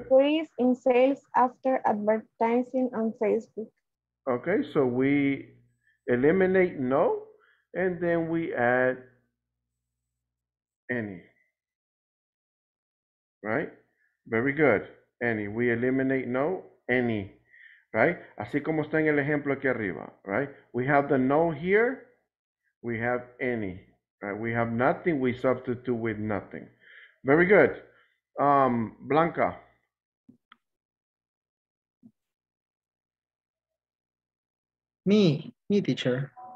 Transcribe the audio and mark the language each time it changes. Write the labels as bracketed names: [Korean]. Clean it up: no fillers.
[English] increase in sales after advertising on Facebook. Okay, so we eliminate no and then we add any, right? Very good. any. We eliminate no, any, right? [Spanish] Así como está en el ejemplo aquí arriba, right? [English] We have the no here, we have any, right? We have nothing, we substitute with nothing. Very good. Blanca. Me, teacher.